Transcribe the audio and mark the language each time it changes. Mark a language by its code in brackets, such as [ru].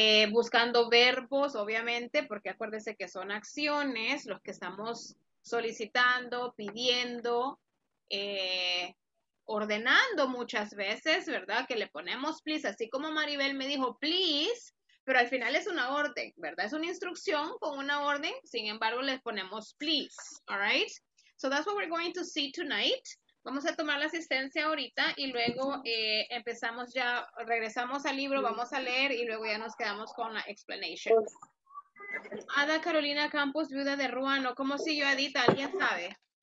[es] Buscando verbos, obviamente, porque acuérdense que son acciones los que estamos solicitando, pidiendo, ordenando muchas veces, ¿verdad? Que le ponemos please, así como Maribel me dijo please, pero al final es una orden, ¿verdad? Es una instrucción con una orden, sin embargo, le ponemos please, [en] all right? So that's what we're going to see tonight. [es] Vamos a tomar la asistencia ahorita y luego empezamos ya, regresamos al libro, vamos a leer y luego ya nos quedamos con la explanation. Ada Carolina Campos, viuda de Ruano. ¿Cómo siguió Adita? ¿Alguien sabe?